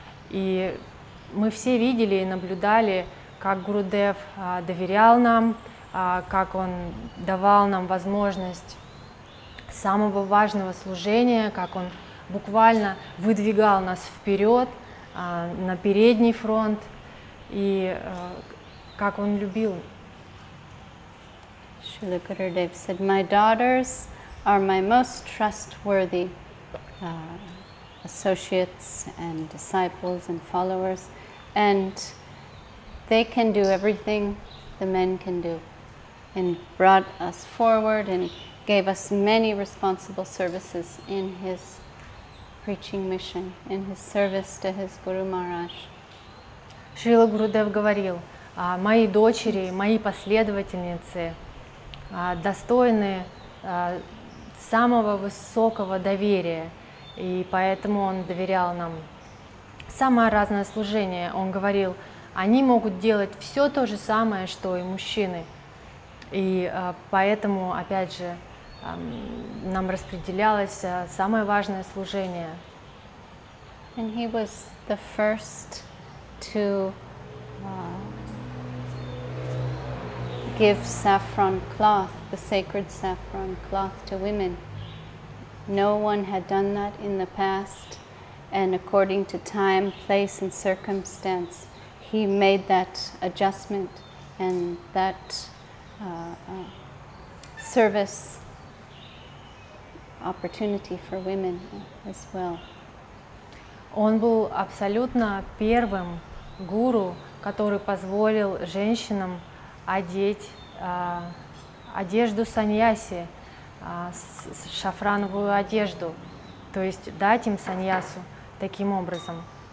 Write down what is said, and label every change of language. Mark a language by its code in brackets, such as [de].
[ru] И мы все видели и наблюдали, как Гурудев доверял нам, как он давал нам возможность самого важного служения, как он буквально выдвигал нас вперед, на передний фронт, и как он любил. [en] Srila Gurudev said, "My daughters are my most trustworthy associates and disciples and followers, and they can do everything the men can do, and brought us forward and gave us many responsible services in his preaching mission, in his service to his Guru Maharaj." [ru] Srila Gurudev говорил, "Мои дочери, мои последовательницы достойны самого высокого доверия, и поэтому он доверял нам самое разное служение. Он говорил, они могут делать все то же самое, что и мужчины, и поэтому, опять же, нам распределялось самое важное служение. [en] And he was the first to give saffron cloth, the sacred saffron cloth, to women. No one had done that in the past, and according to time, place, and circumstance, he made that adjustment and that service opportunity for women as well. [ru] Он был абсолютно первым гуру, который позволил женщинам одеть одежду саньяси, шафрановую одежду, то есть дать им саньясу таким образом.